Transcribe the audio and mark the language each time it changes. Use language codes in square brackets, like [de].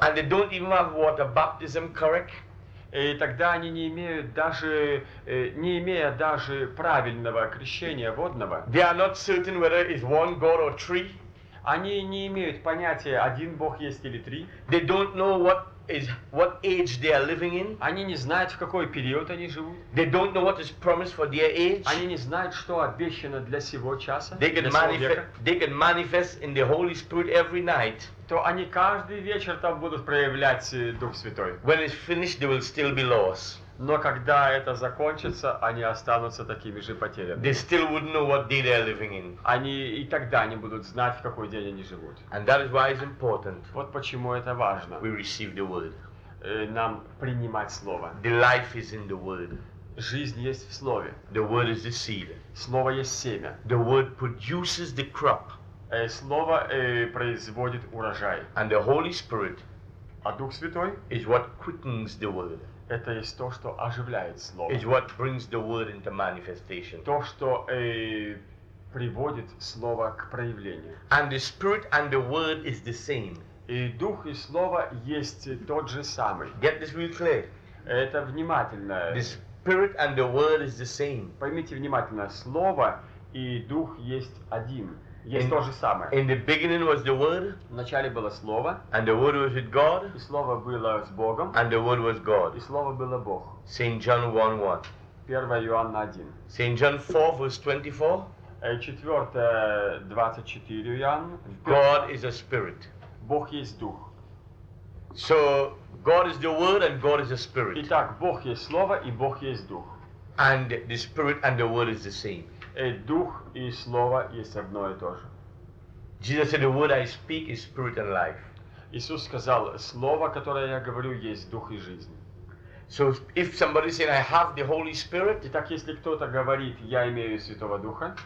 [en] and they don't even have water baptism correct, [ru] и тогда они не имея даже правильного крещения водного, [en] they are not certain whether it's one God or three. [ru] Они не имеют понятия, один Бог есть или три. [en] They don't know what age they are living in. [ru] Они не знают, в какой период они живут. [en] They don't know what is promised for their age. [ru] Они не знают, что обещано для сего часа. [en] They can manifest in the Holy Spirit every night. [ru] То они каждый вечер там будут проявлять Дух Святой. [en] When it's finished, they will still be lost. [ru] Но когда это закончится, они останутся такими же потерянными. [en] They still wouldn't know what day they are living in. [ru] Они и тогда не будут знать, в какой день они живут. [en] And that is why it's important. [ru] Вот почему это важно. [en] We receive the word. [ru] Нам принимать слово. [en] The life is in the word. [ru] Жизнь есть в слове. [en] The word is the seed. [ru] Слово есть семя. [en] The word produces the crop. [ru] Слово производит урожай. [en] And the Holy Spirit. [ru] А Дух Святой? [en] Is what quickens the word. [ru] Это есть то, что оживляет слово. [en] It's what brings the word into manifestation. [ru] То, что приводит слово к проявлению. [en] And the spirit and the word is the same. [ru] И дух и слово есть тот же самый. [en] Get this real clear. [ru] Это внимательно. [en] The spirit and the word is the same. [ru] Поймите внимательно, слово и дух есть один. Есть то же самое. [en] In the beginning was the word. [ru] В начале было слово. [en] And the word was with God. [ru] И слово было с Богом. [en] And the word was God. [ru] И слово было Бог. [en] Saint John 1:1. [ru] 1 Иоанна 1. [en] Saint John 4:24. [ru] 4:24 Иоанн. [en] God is a spirit. [ru] Бог есть дух. [en] So God is the word and God is a spirit. [ru] Итак, Бог есть слово и Бог есть дух. [en] And the spirit and the word is the same. [ru] Дух и слово есть одно и то же. [en] Jesus said, "The word I speak is spirit and life." [ru] Иисус сказал, слово, которое я говорю, есть дух и жизнь. [en] So if somebody says, "I have the Holy Spirit," [ru] и так если кто-то говорит, я имею Святого Духа,